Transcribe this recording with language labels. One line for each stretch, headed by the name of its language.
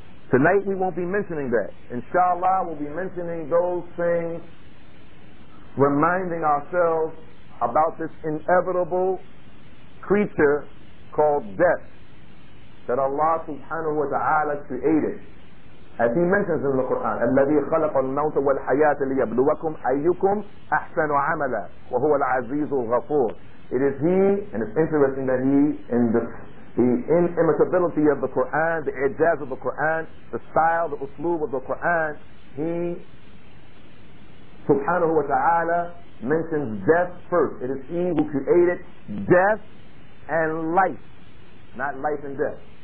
English: Tonight we won't be mentioning that. Inshallah, we'll be mentioning those things, reminding ourselves about this inevitable creature called death that Allah subhanahu wa ta'ala created. As he mentions in the Quran,
Arabic: الَّذِي خَلَقَ الْمَوْتَ وَالْحَيَاةَ لِيَبْلُوَكُمْ أَيُّكُمْ أَحْسَنُ عَمَلًا وَهُوَ الْعَزِيزُ الْغَفُورُ.
English: It is he, and it's interesting that he, in the inimitability of the Quran, the ijaz of the Quran, the style, the usloob of the Quran, he, subhanahu wa ta'ala, mentions death first. It is he who created death and life. Not life and death.